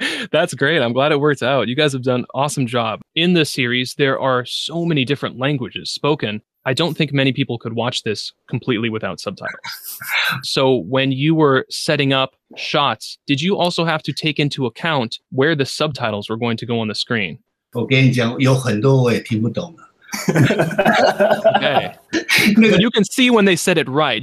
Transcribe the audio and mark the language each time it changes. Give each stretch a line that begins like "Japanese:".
English: That's great. I'm glad it worked out. You guys have done an awesome job. In this series, there are so many different languages spoken. I don't think many people could watch this completely without subtitles. So when you were setting up shots, did you also have to take into account where the subtitles were going to go on the screen?
Chinese: 我跟你讲，有很多我也听不懂。
English: Okay. But you can see when they said it right.